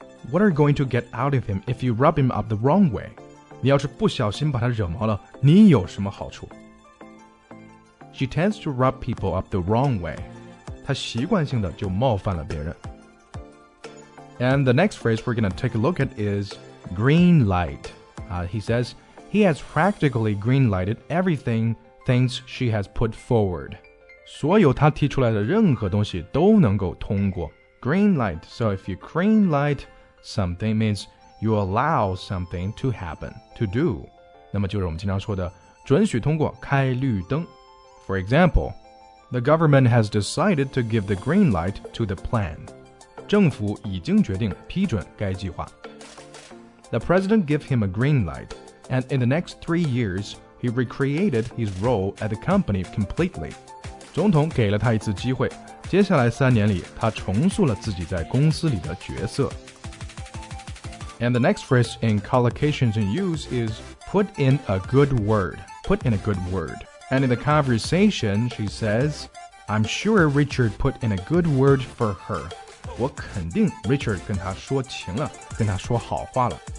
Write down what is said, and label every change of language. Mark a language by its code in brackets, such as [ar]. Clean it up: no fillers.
[en] What are you going to get out of him if you rub him up the wrong way? [zh] 你要是不小心把他惹毛了，你有什么好处？ [en] She tends to rub people up the wrong way. [zh] 她习惯性的就冒犯了别人。 [en] And the next phrase we're going to take a look at is green light. He says he has practically green lighted everything things she has put forward. [zh] 所有他提出来的任何东西都能够通过。 [en] Green light. So if you green light something means you allow something to happen, to do. [zh] 那么就是我们经常说的准许通过开绿灯。 [en] For example, the government has decided to give the green light to the plan. [zh] 政府已经决定批准该计划。 [en] The president gave him a green light, and in the next 3 years, he recreated his role at the company completely. [zh] 总统给了他一次机会，接下来三年里，他重塑了自己在公司里的角色。 [en] And the next phrase in collocations in use is put in a good word. Put in a good word. And in the conversation, she says, I'm sure Richard put in a good word for her. [zh] 我肯定 Richard 跟他说情了，跟他说好话了。